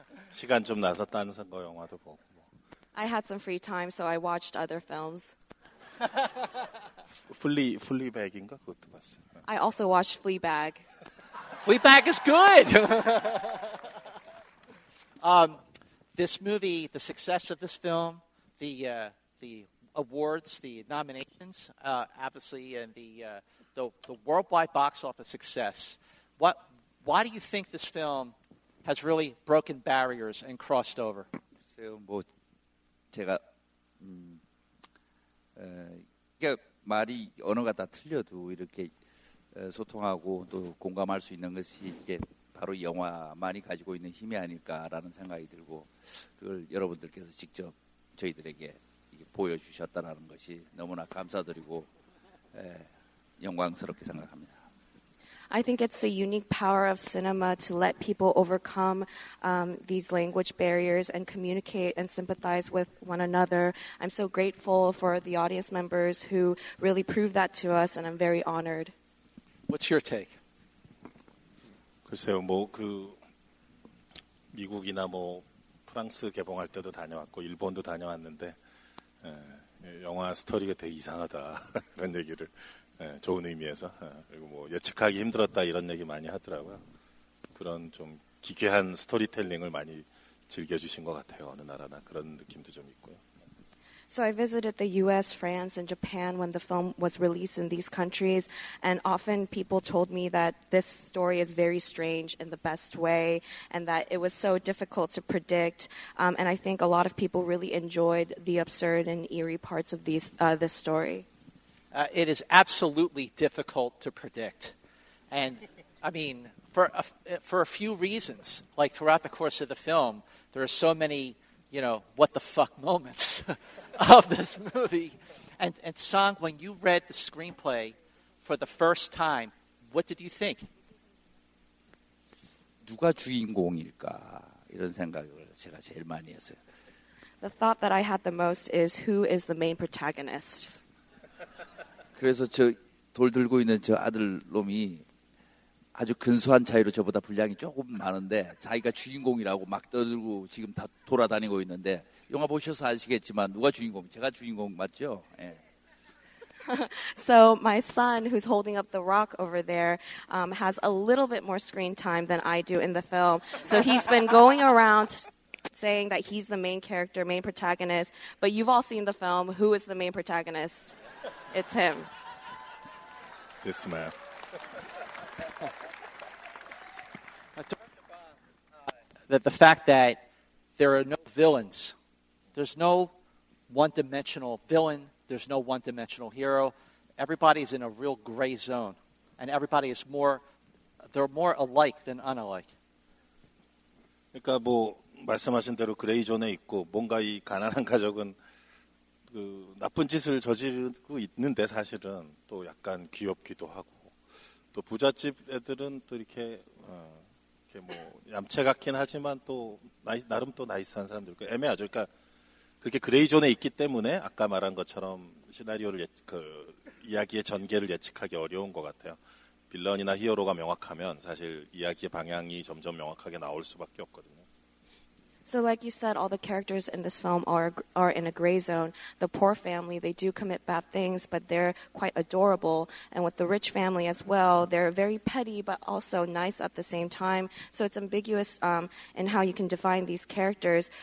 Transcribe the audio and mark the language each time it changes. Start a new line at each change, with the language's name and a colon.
Korean: 시간 좀 나서 다른 거 영화도 보고.
English: I had some free time, so I watched other films.
Korean: Fleabag인가 그것도 봤어.
English: I also watched Fleabag. Fleabag is good. This movie, the success of this film, the awards, the nominations, obviously, and the worldwide box office success. Why do you think this film has really broken barriers and crossed over?
Korean: 글쎄요, 뭐 제가 이게 말이 언어가 다 틀려도 이렇게 소통하고 또 공감할 수 있는 것이 이게 바로 영화만이 가지고 있는 힘이 아닐까라는 생각이 들고 그걸 여러분들께서 직접 저희들에게 보여주셨다는 것이 너무나 감사드리고 영광스럽게 생각합니다.
English: I think it's a unique power of cinema to let people overcome these language barriers and communicate and sympathize with one another. I'm so grateful for the audience members who really proved that to us, and I'm very honored. What's your take?
Korean: 글쎄요, 뭐 그 미국이나 뭐 프랑스 개봉할 때도 다녀왔고 일본도 다녀왔는데 영화 스토리가 되게 이상하다 이런 얘기를 좋은 의미에서 그리고 뭐 예측하기 힘들었다 이런 얘기 많이 하더라고요. 그런 좀 기괴한 스토리텔링을 많이 즐겨주신 것 같아요. 어느 나라나 그런 느낌도 좀 있고요.
English: So I visited the U.S., France, and Japan when the film was released in these countries, and often people told me that this story is very strange in the best way, and that it was so difficult to predict. And I think a lot of people really enjoyed the absurd and eerie parts of this story. It is absolutely difficult to predict, and I mean for a few reasons. Like throughout the course of the film, there are so many, you know, what the fuck moments. of this movie. And Song, when you read the screenplay for the first time, what did you think?
Korean: 누가 주인공일까? 이런 생각을 제가 제일 많이 했어요.
English: The thought that I had the most is who is the main protagonist?
Korean: 그래서 저 돌 들고 있는 저 아들 놈이 아주 근소한 차이로 저보다 분량이 조금 많은데 자기가 주인공이라고 막 떠들고 지금 다 돌아다니고 있는데 영화 보셔서 아시겠지만 누가 주인공? 제가 주인공 맞죠? 예.
English: So my son, who's holding up the rock over there, has a little bit more screen time than I do in the film. So he's been going around saying that he's the main character, main protagonist. But you've all seen the film. Who is the main protagonist? It's him. This man. That the fact that there are no villains, there's no one-dimensional villain, there's no one-dimensional hero. Everybody's in a real gray zone, and everybody is more—they're more alike than unlike.
Korean: 그러니까 뭐 말씀하신 대로 그레이 존에 있고 뭔가 이 가난한 가족은 그 나쁜 짓을 저지르고 있는데 사실은 또 약간 귀엽기도 하고 또 부잣집 애들은 또 이렇게. 이렇게 뭐 얌체 같긴 하지만 또 나름 또 나이스한 사람들 애매하죠. 그러니까 그렇게 그레이 존에 있기 때문에 아까 말한 것처럼 시나리오를 그 이야기의 전개를 예측하기 어려운 것 같아요. 빌런이나 히어로가 명확하면 사실 이야기의 방향이 점점 명확하게 나올 수밖에 없거든요.
English: So like you said, all the characters in this film are in a gray zone. The poor family, they do commit bad things, but they're quite adorable. And with the rich family as well, they're very petty, but also nice at the same time. So it's ambiguous in how you can define these characters.